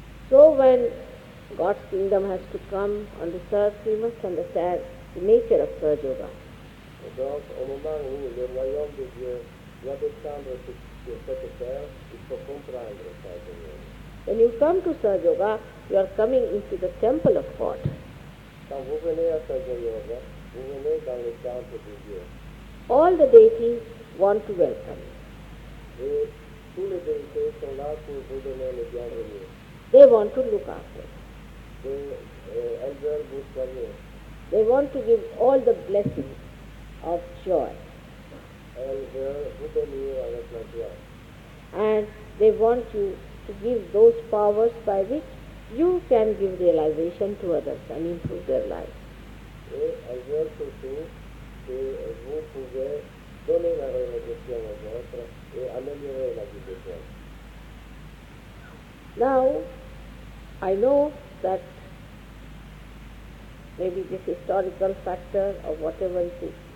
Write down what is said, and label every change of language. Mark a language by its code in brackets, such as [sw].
[en] So when God's kingdom has to come on this earth, we must understand the nature of Sahaja Yoga. [fr] Donc au moment où le royaume de Dieu va descendre sur cette terre, il faut comprendre ça. [en] When you come to Sahaja Yoga, you are coming into the temple of God. [fr] Quand vous venez à Sahaja Yoga, vous venez dans le temple de Dieu. [en] All the deities want to welcome you. [fr] Et tous les deités sont là pour vous donner le bienvenu. [en] They want to look after [fr] you. Elles veulent vous soigner. [en] They want to give all the blessings of joy. [fr] Elles veulent vous bénir avec la joie. [en] And they want you to give those powers by which you can give realization to others and improve their life. [fr] Et elles veulent surtout que vous pouvez donner la réalisation aux autres et améliorer la vie des autres. [en] Now, I know that maybe this historical factor or whatever it is.